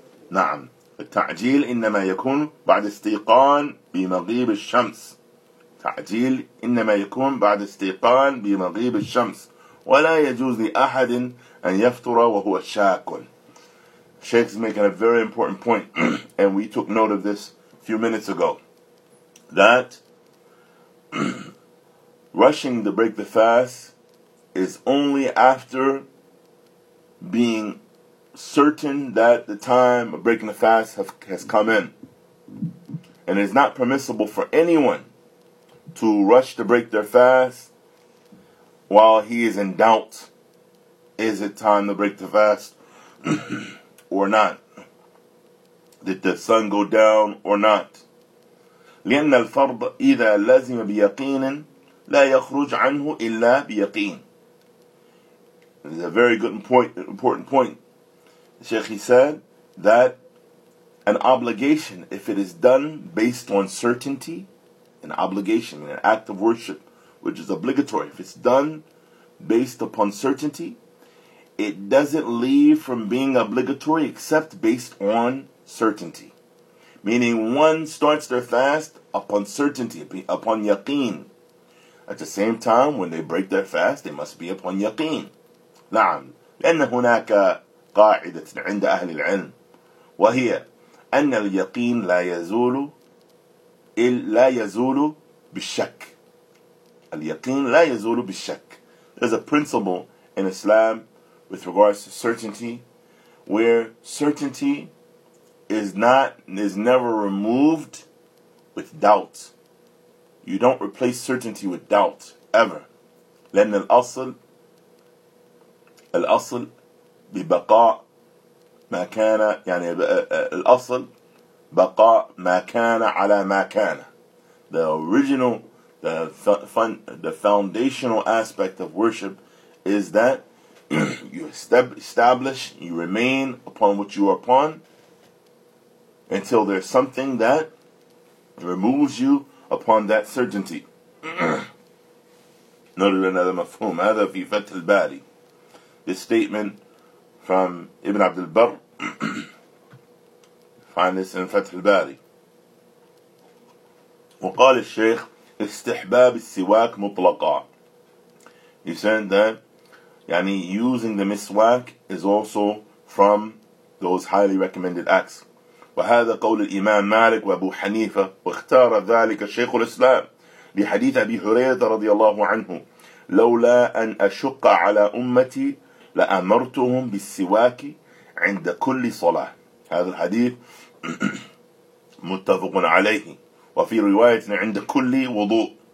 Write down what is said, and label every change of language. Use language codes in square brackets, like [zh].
[ar] نعم, التعجيل إنما يكون بعد استيقان بمغيب الشمس. تعجيل إنما يكون بعد استيقان بمغيب الشمس ولا يجوز لأحد أن يفطر وهو شاك. [en] Sheikh is making a very important point, and we took note of this a few minutes ago, that rushing to break the fast is only after being certain that the time of breaking the fast has come in. And it's not permissible for anyone to rush to break their fast while he is in doubt. Is it time to break the fast or not? Did the sun go down or not? [ar] لأن الفرض إذا لازم بيقين لا يخرج عنه إلا بيقين. [en] It's a very good important point. Sheikh, he said that an obligation, if it is done based on certainty, an obligation, an act of worship, which is obligatory, if it's done based upon certainty, it doesn't leave from being obligatory except based on certainty. Meaning one starts their fast upon certainty, upon yaqeen. At the same time, when they break their fast, they must be upon yaqeen. [ar] نعم لأن هناك قاعدة عند أهل العلم وهي أن اليقين لا يزول لا يزول بالشك. اليقين لا يزول بالشك. [en] There's a principle in Islam with regards to certainty, where certainty is never removed with doubt. You don't replace certainty with doubt ever. [ar] لأن الأصل الأصل ببقاء ما كان يعني الأصل بقاء ما كان على ما كان. [en] The original, the foundational aspect of worship is that you establish, you remain upon what you are upon until there's something that removes you upon that certainty. [ar] نرد هذا مفهوم هذا في فتح الباري. [en] This statement from Ibn Abd al-Barr, find this in Fath al-Bari. [ar] وقال الشيخ استحباب السواك مطلقا. [en] He said that يعني using the miswak is also from those highly recommended acts. [ar] وهذا قول الإمام مالك وأبو حنيفة واختار ذلك الشيخ الإسلام لحديث أبي هريرة رضي الله عنه لولا أن أشق على أمتي لأمرتهم بالسواك عند كل صلاة. هذا الحديث متفق عليه وفي رواية عند كل وضوء.